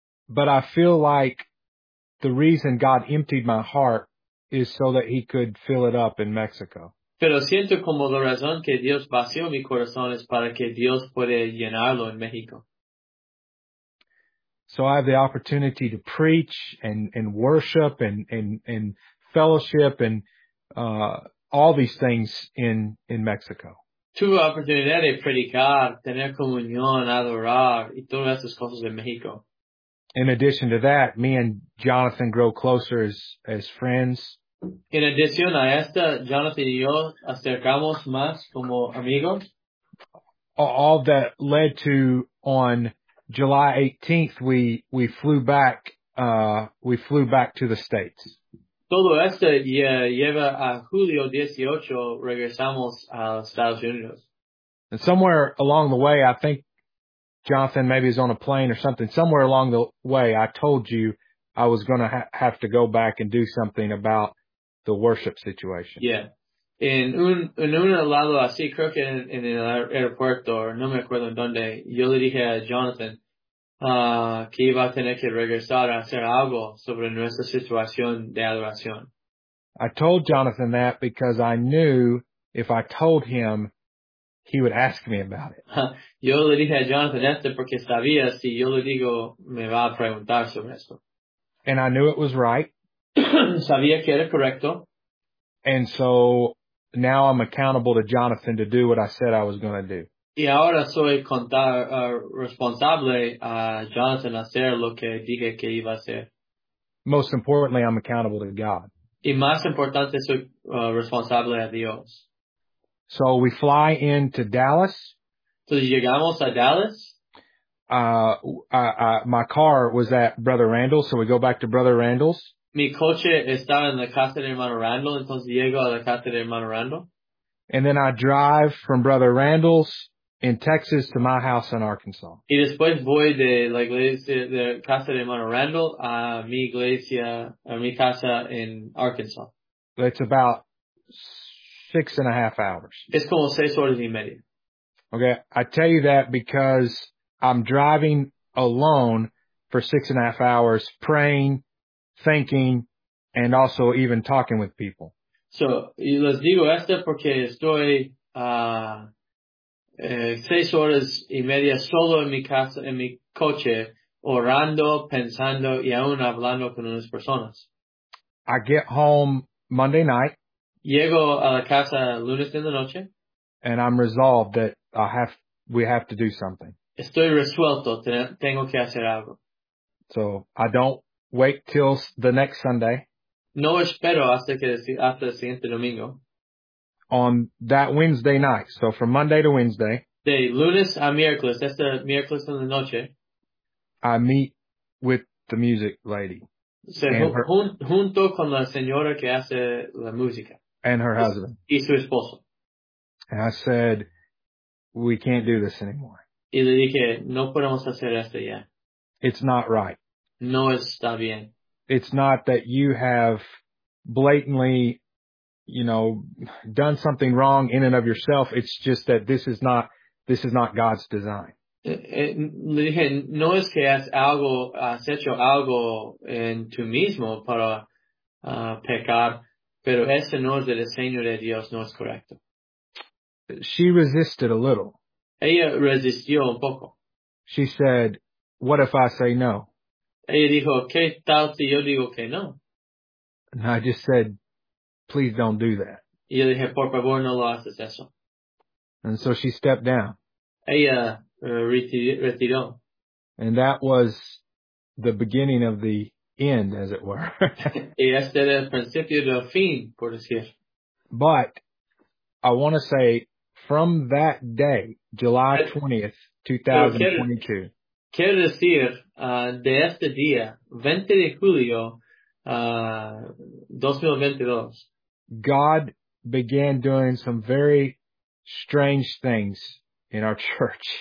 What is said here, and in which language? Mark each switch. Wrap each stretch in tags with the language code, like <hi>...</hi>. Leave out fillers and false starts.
<en>But I feel like the reason God emptied my heart is so that he could fill it up in Mexico.</en> <es>Pero siento como la razón que Dios vació mi corazón es para que Dios pueda llenarlo en México.</es> <en>So I have the opportunity to preach and worship and fellowship and all these things in Mexico.</en> <es>Tuve la oportunidad de predicar, tener comunión, adorar y todas esas cosas en México.</es> <en>In addition to that, me and Jonathan grow closer as friends. In addition</en> <es>a esta, Jonathan y yo acercamos más como amigos.</es> <en>All that led to on July 18th, we flew back to the States.</en> <es>Todo esto lleva a julio 18, regresamos a Estados Unidos.</es> <en>And somewhere along the way, I think Jonathan maybe is on a plane or something. Somewhere along the way, I told you I was going to have to go back and do something about the worship situation. Yeah.</en> <es>En un lado así, creo que en el aeropuerto, no me acuerdo en donde, yo le dije a Jonathan, que iba a tener que regresar a hacer algo sobre nuestra situación de adoración.</es> <en>I told Jonathan that because I knew if I told him, he would ask me about it.</en> <es>Yo le dije a Jonathan esto porque sabía si yo le digo, me va a preguntar sobre esto.</es> <en>And I knew it was right.</en> <es>Sabía que era correcto.</es> <en>And so now I'm accountable to Jonathan to do what I said I was going to do.</en> <es>Y ahora soy responsable a Jonathan hacer lo que dije que iba a hacer.</es> <en>Most importantly, I'm accountable to God.</en> <es>Y más importante, soy responsable a Dios.</es> <en>So we fly into Dallas.</en> <es>So llegamos a Dallas.</es> <en>My car was at Brother Randall's, so we go back to Brother Randall's.</en> <es>Mi coche estaba en la casa de hermano Randall, entonces llego a la casa de hermano Randall.</es> <en>And then I drive from Brother Randall's in Texas to my house in Arkansas.</en> <es>Y después voy de la iglesia, de casa de hermano Randall a mi iglesia, a mi casa in Arkansas.</es> <en>It's about 6.5 hours.</en> <es>Es como 6 horas y media.</es> <en>Okay, I tell you that because I'm driving alone for 6.5 hours praying, thinking, and also even talking with people.</en> <es>So, y les digo esto porque estoy 6 horas y media solo en mi casa, en mi coche, orando, pensando, y aún hablando con unas personas.</es> <en>I get home Monday night.</en> <es>Llego a la casa lunes en la noche.</es> <en>And I'm resolved that we have to do something.</en> <es>Estoy resuelto, tengo que hacer algo.</es> <en>So, I don't wait till the next Sunday.</en> <es>No espero hasta el siguiente domingo.</es> <en>On that Wednesday night, so from Monday to Wednesday.</en> <es>De lunes a miércoles, este miércoles en la noche.</es> <en>I meet with the music lady.</en> <es>Junto con la señora que hace la música.</es> <en>And her husband.</en> <es>Y su esposo.</es> <en>And I said, we can't do this anymore.</en> <es>Y le dije, no podemos hacer esto ya.</es> <en>It's not right.</en> <es>No está bien.</es> <en>It's not that you have blatantly, you know, done something wrong in and of yourself. It's just that this is not God's design.</en> <es>Le dije, no es que has hecho algo en tú mismo para pecar, pero ese no es el diseño de Dios, no es correcto.</es> <en>She resisted a little.</en> <es>Ella resistió un poco.</es> <en>She said, what if I say no?</en> <es>Ella dijo, ¿qué tal si yo digo que no?</es> <en>And I just said, please don't do that.</en> <es>Y yo dije, por favor, no lo haces eso.</es> <en>And so she stepped down.</en> <es>Ella retiró.</es> <en>And that was the beginning of the end, as it were.</en> <es>Y este era el principio del fin, por decir.</es> <en>But I want to say, from that day, July 20th, 2022.</en> <es>Quiero decir, de este día, 20 de julio, 2022.</es> <en>God began doing some very strange things in our church.</en>